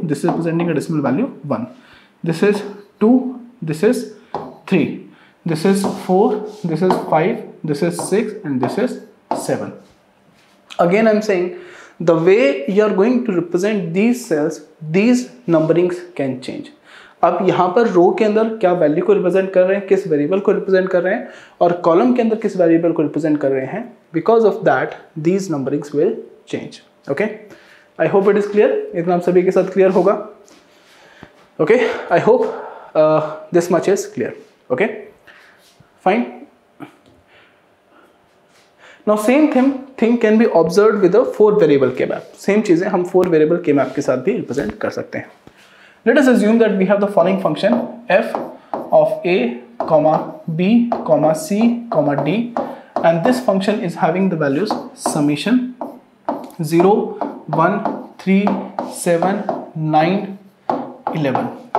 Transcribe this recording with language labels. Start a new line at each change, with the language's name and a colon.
English: This is representing a decimal value 1. This is 2, this is 3. This is 4, this is 5, this is 6 and this is 7. Again, I'm saying the way you are going to represent these cells, these numberings can change.
Hindi: अब यहाँ पर रो के अंदर क्या value को represent कर रहे हैं, किस वेरिएबल को रिप्रेजेंट कर रहे हैं और कॉलम के अंदर किस वेरिएबल को रिप्रेजेंट कर रहे हैं,
English: Because of that these numberings will change. Okay, I hope it is clear.
Hindi: इतना आप सभी के साथ क्लियर होगा.
English: Okay, I hope this much is clear. Okay, fine. Now same thing can be observe with a four variable K map.
Hindi: Same चीजें हम for variable के मैप के साथ भी रिप्रेजेंट कर सकते हैं.
English: Let us assume that we have the following function f of a, comma b, comma c, comma d, and this function is having the values summation 0, 1, 3, 7, 9, 11.